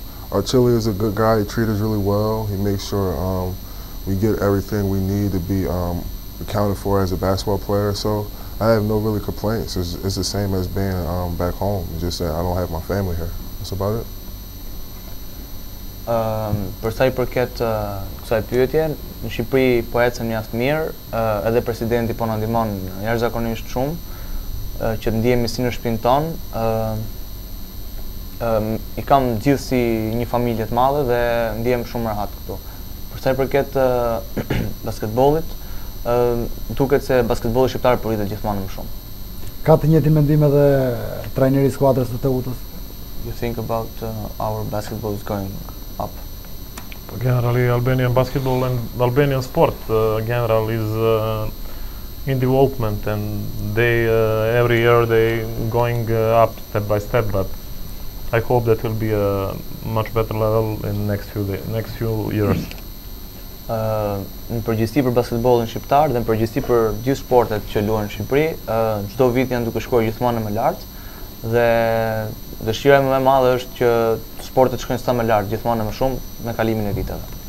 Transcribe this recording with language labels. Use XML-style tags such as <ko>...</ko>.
<en>Archili is a good guy. He treats us really well. He makes sure we get everything we need to be accounted for as a basketball player. So I have no really complaints. It's the same as being back home. It's just that I don't have my family here. That's about it.</en> <sq>Për sa I përket kësaj pyetje, në Shqipëri po ecën mjaft mirë, edhe presidenti po na ndihmon jashtëzakonisht shumë që të ndihemi si në shtëpinë tonë. I kam gjithë si një familje të madhe dhe ndihem shumë rahat këtu. Për sa I përket basketbollit, duket se basketbolli shqiptar pritet gjithmonë më shumë. Ka të njëjtin mendim edhe trajneri I skuadrës së Teutës?</sq> <en>You think about our basketball is going up? Generally, Albanian basketball and Albanian sport general is in development, and they every year they going up step by step. But I hope that will be a much better level in next few years.</en> <sq>Në përgjithësi për basketbollin shqiptar dhe në përgjithësi për gjithë sportet që luhen në Shqipëri, çdo vit janë duke shkuar gjithmonë më lart dhe dëshira më e madhe është që sportet shkojnë sa më lart, gjithmonë më shumë me kalimin e viteve.</sq>